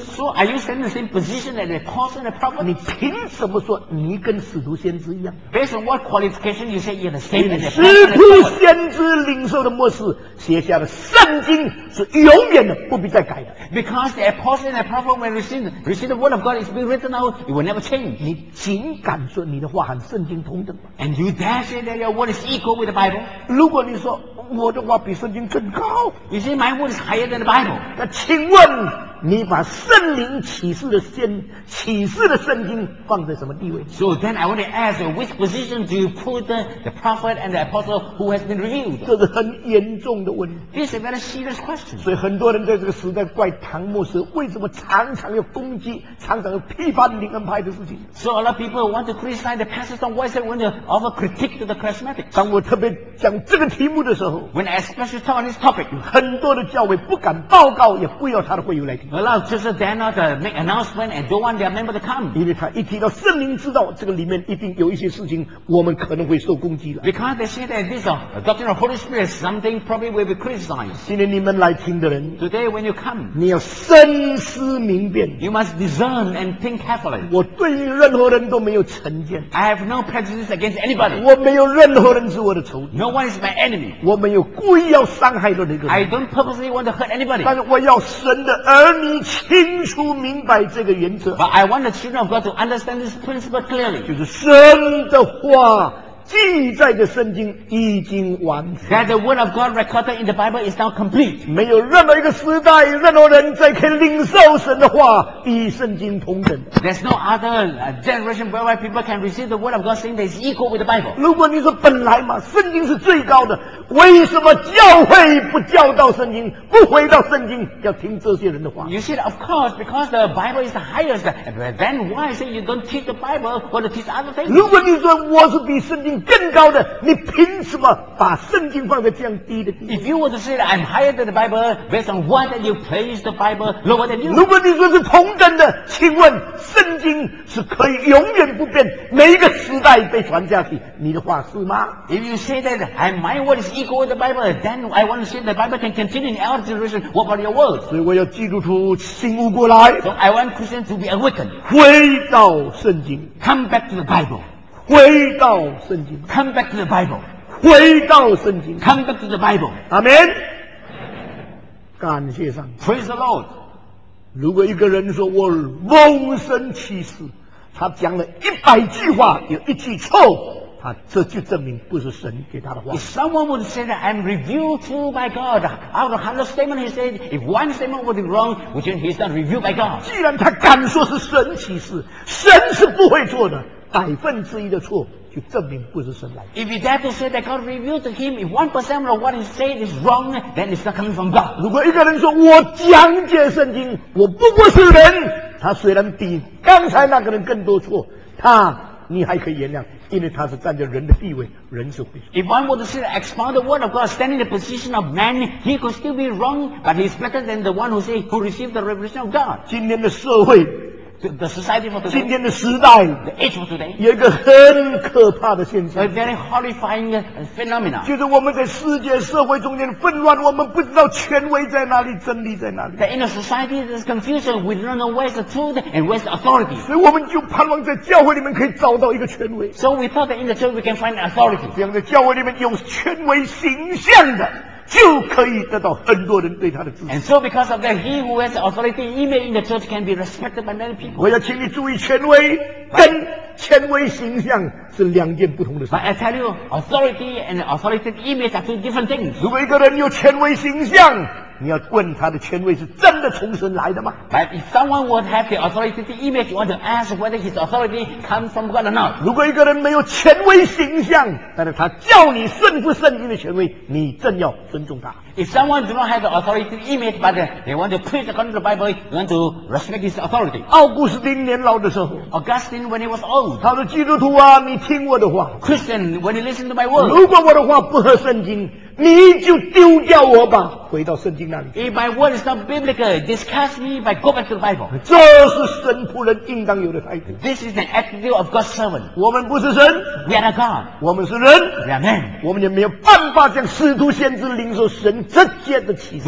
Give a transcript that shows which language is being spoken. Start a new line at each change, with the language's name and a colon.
English: So are you standing in the same position as the apostle and the prophet?
Chinese: 你凭什么说你跟使徒先知一样？
English: Based on what qualification you say you're the same as the apostle and the prophet?
Chinese: 使徒先知领受的默示写下的圣经是永远的，不必再改的。
English: Because the apostle and the prophet when received the word of God is being written out, it will never change.
Chinese: 你尽敢说你的话和圣经同等吗？
English: And you dare say that your word is equal with the Bible?
Chinese: 如果你说我的话比圣经更高，
English: You say my word is higher than the Bible.
Chinese: 那请问你把圣灵启示的圣经放在什么地位？
English: So then I want to ask, which position do you put the prophet and the apostle who has been revealed?
Chinese: 这是很严重的问题。
English: This is a very serious question.
Chinese: 所以很多人在这个时代怪唐牧师为什么常常要攻击，常常要批判灵恩派的事情。
English: So a lot of people want to criticize the pastors on why they want to offer critique to the charismatics.
Chinese: 当我特别讲这个题目的时候，
English: When I especially talk on this topic,
Chinese: 很多的教会不敢报告，也不要他的会友来。
English: A lot of churches dare not make announcement and don't want their member to come.
Chinese: 因为他一提到圣灵知道，这个里面一定有一些事情我们可能会受攻击了。
English: Because they say that this doctrine of Holy Spirit is something probably will be criticized.
Chinese: 今天你们来听的人，
English: Today when you come,
Chinese: 你要深思明辨。
English: You must discern and think carefully.
Chinese: 我对于任何人都没有成见。
English: I have no prejudice against anybody.
Chinese: 我没有任何人是我的仇敌。
English: No one is my enemy.
Chinese: 我没有故意要伤害到那个人。
English: I don't purposely want to hurt anybody.
Chinese: 但是我要神的儿。而你清楚明白这个原则。
English: But I want the children of God to understand this principle clearly.
Chinese: 就是神的话记载的圣经已经完成。
English: That the word of God recorded in the Bible is now complete.
Chinese: 没有任何一个时代，任何人在可以领受神的话与圣经同等。
English: There's no other generation whereby people can receive the word of God saying that it's equal with the Bible.
Chinese: 如果你说本来嘛，圣经是最高的，为什么教会不教导圣经，不回到圣经，要听这些人的话？
English: You see, of course, because the Bible is the highest. But then why say you don't teach the Bible or teach other things?
Chinese: 如果你说我是比圣经更高的，你凭什么把圣经放在这样低的地方？
English: If you were to say I'm higher than the Bible, based on what you place the Bible lower than you?
Chinese: 如果你说是同等的，请问圣经是可以永远不变，每一个时代被传下去，你的话是吗？
English: If you say that my word is equal with the Bible, then I want to say the Bible can continue in our generation. What about your words?
Chinese: 所以我要基督徒醒悟过来。
English: So I want Christians to be awakened.
Chinese: 回到圣经。
English: Come back to the Bible.
Chinese: 回到圣经。
English: Come back to the Bible.
Chinese: 回到圣经。
English: Come back to the Bible.
Chinese: Amen. 感谢上帝。
English: Praise the Lord.
Chinese: 如果一个人说我蒙神启示，他讲了100句话，有一句错，他这就证明不是神给他的话。
English: If someone would say that I'm revealed to by God, out of 100 statements, he said, if one statement would be wrong, which means he's not revealed by God.
Chinese: 既然他敢说是神启示，神是不会错的。百分之一的错就证明不是神来的。
English: If you dare to say that God revealed to him, if 1% of what he said is wrong, then it's not coming from God.
Chinese: 如果一个人说我讲解圣经，我不过是人，他虽然比刚才那个人更多错，你还可以原谅，因为他是站在人的地位，人是会说。
English: If one were to say expound the word of God, standing in the position of man, he could still be wrong, but he's better than the one who say who received the revelation of God.
Chinese: 今天的社会。
English: The society of today,
Chinese: 今天的时代
English: the age of today,
Chinese: 有一个很可怕的现象
English: a very horrifying phenomena,
Chinese: 就是我们在世界社会中间混乱，我们不知道权威在哪里，真理在哪里。
English: That in a society that's confused, we don't know where's the truth and where's the authority.
Chinese: 所以我们就盼望在教会里面可以找到一个权威。
English: So we thought that in the church we can find authority.
Chinese: 这样在教会里面有权威形象的。就可以得到很多人对他的支持。
English: And so because of that, he who has authority even in the church can be respected by many people.
Chinese: 我要请你注意权威跟权威形象是两件不同的事。
English: But I tell you, authority and authoritative image are two different things.
Chinese: 如果一个人有权威形象，你要问他的权威是真的从神来的吗？
English: But if someone would have the authority to image, you want to ask whether his authority comes from God or not.
Chinese: 如果一个人没有权威形象，但是他叫你顺服圣经的权威，你正要尊重他。
English: If someone do not have the authority to image, but they want to preach according to the Bible, you want to respect his authority.
Chinese: 奥古斯丁年老的时候，
English: Augustine when he was old,
Chinese: 他说基督徒啊，你听我的话。
English: Christian, when you listen to my word,
Chinese: 如果我的话不合圣经。你就丢掉我吧，回到圣经那里。
English: If my word is not biblical, discuss me by go back to the Bible.
Chinese: 这是神仆人应当有的态度。
English: This is the attitude of God's servant.
Chinese: 我们不是神，
English: we are not God.
Chinese: 我们是人，
English: we are men.
Chinese: 我们也没有办法像使徒先知领受神直接的启示。